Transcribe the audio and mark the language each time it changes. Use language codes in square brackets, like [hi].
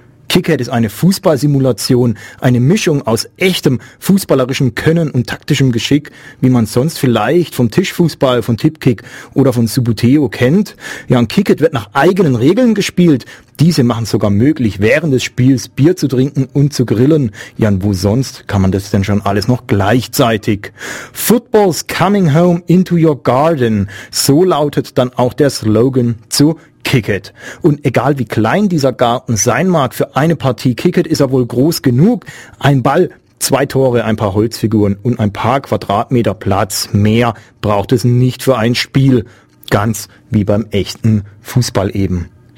[de] Kickhead ist eine Fußballsimulation, eine Mischung aus echtem fußballerischem Können und taktischem Geschick, wie man sonst vielleicht vom Tischfußball, von Tipkick oder von Subuteo kennt. Ja, und Kickhead wird nach eigenen Regeln gespielt. Diese machen es sogar möglich, während des Spiels Bier zu trinken und zu grillen. Ja, und wo sonst kann man das denn schon alles noch gleichzeitig? [en] Football's coming home into your garden. [de] So lautet dann auch der Slogan zu Kickhead. Und egal wie klein dieser Garten sein mag, für eine Partie Kickhead ist er wohl groß genug. Ein Ball, zwei Tore, ein paar Holzfiguren und ein paar Quadratmeter Platz. Mehr braucht es nicht für ein Spiel. Ganz wie beim echten Fußball eben.